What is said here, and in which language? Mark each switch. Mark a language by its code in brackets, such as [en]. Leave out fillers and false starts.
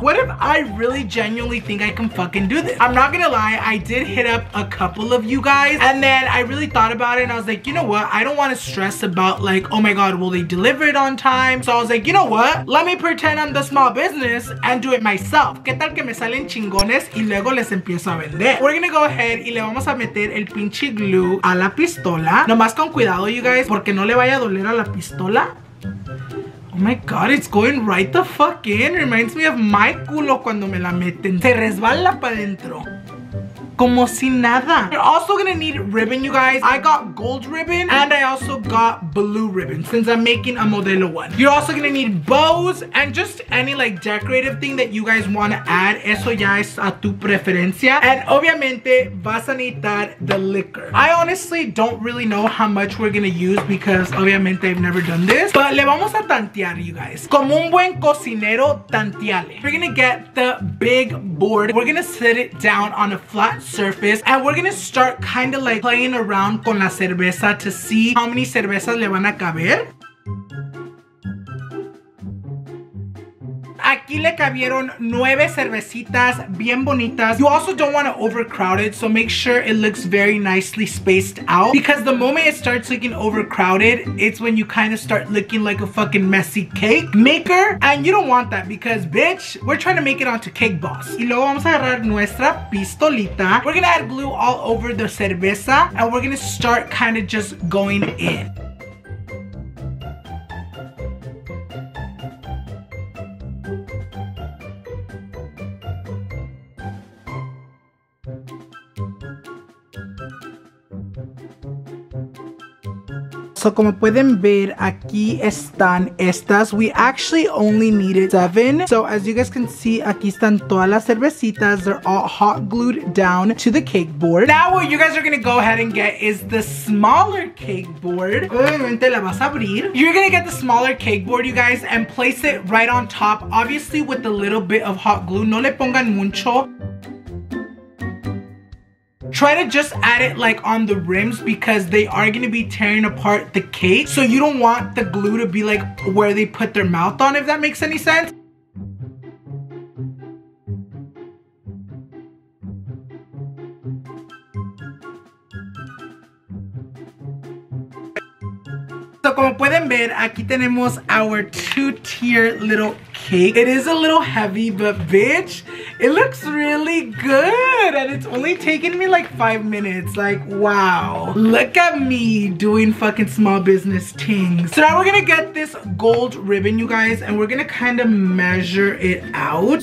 [en] What if I really genuinely think I can fucking do this? I'm not gonna lie, I did hit up a couple of you guys, and then I really thought about it, and I was like, you know what, I don't want to stress about like, oh my God, will they deliver it on time? So I was like, you know what, let me pretend I'm the small business and do it myself. [es] ¿Qué tal que me salen chingones y luego les empiezo a vender? [en] We're gonna go ahead [es] y le vamos a meter el pinche glue a la pistola. Nomás con cuidado, [en] you guys, [es] porque no le vaya a doler a la pistola. [en] Oh my God, it's going right the fuck in. Reminds me of my [es] culo cuando me la meten. Se resbala para adentro. Como si nada. [en] You're also gonna need ribbon, you guys. I got gold ribbon and I also got blue ribbon since I'm making a Modelo one. You're also gonna need bows and just any like decorative thing that you guys wanna add. [es] Eso ya es a tu preferencia. [en] And [es] obviamente vas a necesitar [en] the liquor. I honestly don't really know how much we're gonna use because obviamente I've never done this. But [es] le vamos a tantear, [en] you guys. [es] Como un buen cocinero, tanteale. [en] We're gonna get the big board. We're gonna set it down on a flat surface. And we're gonna start kind of like playing around [es] con la cerveza [en] to see how many cervezas [es] le van a caber. Aquí le cabieron 9 cervecitas bien bonitas. [en] You also don't want to overcrowd it, so make sure it looks very nicely spaced out. Because the moment it starts looking overcrowded, it's when you kind of start looking like a fucking messy cake maker. And you don't want that because, bitch, we're trying to make it onto Cake Boss. [es] Y luego vamos a agarrar nuestra pistolita. [en] We're gonna add glue all over the cerveza. And we're gonna start kind of just going in. [es] So, como pueden ver, aquí están estas. [en] We actually only needed 7. So, as you guys can see, [es] aquí están todas las cervecitas. [en] They're all hot glued down to the cake board. Now, what you guys are going to go ahead and get is the smaller cake board. [es] Obviamente, la vas a abrir. [en] You're going to get the smaller cake board, you guys, and place it right on top. Obviously, with a little bit of hot glue. [es] No le pongan mucho. [en] Try to just add it like on the rims because they are going to be tearing apart the cake. So you don't want the glue to be like where they put their mouth on, if that makes any sense. [es] So como pueden ver, aquí tenemos [en] our two-tier little cake. It is a little heavy, but bitch, it looks really good. And it's only taking me like 5 minutes. Like, wow. Look at me doing fucking small business things. So now we're gonna get this gold ribbon, you guys, and we're gonna kind of measure it out.